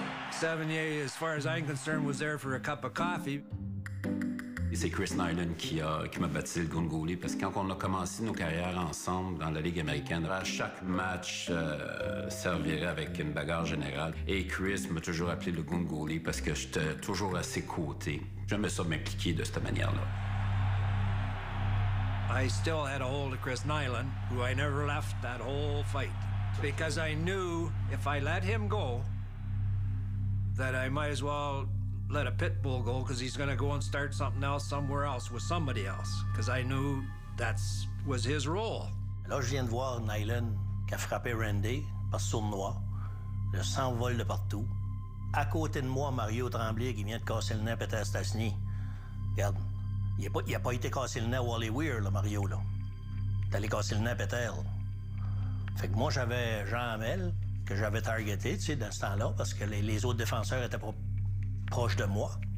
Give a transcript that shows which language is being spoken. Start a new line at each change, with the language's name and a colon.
English: Sevigny, as far as I'm concerned, was there for a cup of coffee.
French: Et c'est Chris Nyland qui m'a battu le Gungoli parce que quand on a commencé nos carrières ensemble dans la Ligue américaine, à chaque match servirait avec une bagarre générale. Et Chris m'a toujours appelé le Gungoli parce que j'étais toujours à ses côtés. J'aimais ça m'impliquer de cette manière-là.
English: I still had a hold of Chris Nyland, who I never left that whole fight. Because I knew if I let him go, that I might as well let a pit bull go because he's going to go and start something else somewhere else with somebody else because I knew that was his role.
French: Là, je viens de voir Nyland qui a frappé Randy par sournois. Le sang vole de partout. À côté de moi, Mario Tremblay qui vient de casser le nez à Stastny. Regarde, il a pas été casser le nez à Wally Weir, là, Mario. Là. T'es allé casser le nez à Peter. Fait que moi, j'avais Jean Hamel que j'avais targeté, tu sais, dans ce temps-là parce que les autres défenseurs étaient pas proche de moi.